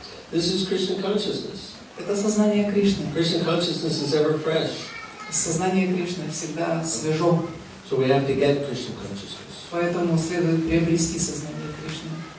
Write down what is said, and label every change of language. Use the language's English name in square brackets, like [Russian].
[English] This is Krishna consciousness. [Russian] Это сознание Кришны. [English] Krishna consciousness is ever fresh. [Russian] Сознание Кришны всегда свежо. [English] So we have to get Krishna consciousness. [Russian] Поэтому следует приобрести сознание Кришны.